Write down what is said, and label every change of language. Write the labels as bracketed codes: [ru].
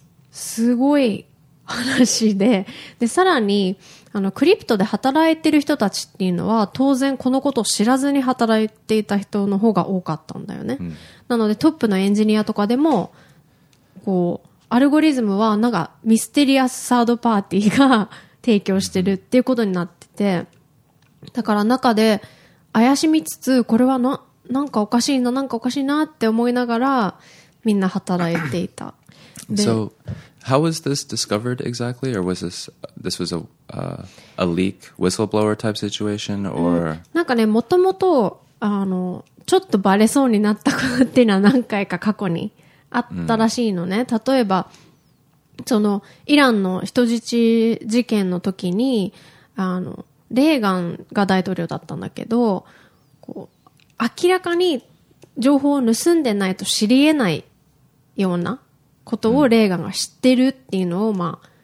[ja] すごい話で、でさらにクリプトで働いてる人たちっていうのは当然このことを知らずに働いていた人の方が多かったんだよね、なのでトップのエンジニアとかでもこうアルゴリズムはなんかミステリアスサードパーティーが提供してるっていうことになってて、だから中で怪しみつつ、これはなんかおかしいな、なんかおかしいなって思いながらみんな働いていた。 [en] So, how was this discovered exactly? Or was this was a leak whistleblower type situation? Or [ja] なんかね、もともとちょっとバレそうになったことっていうのは何回か過去にあったらしいのね。例えばそのイランの人質事件の時にレーガンが大統領だったんだけど、こう明らかに情報を盗んでないと知り得ないようなことをレーガンが知ってるっていうのを、まあ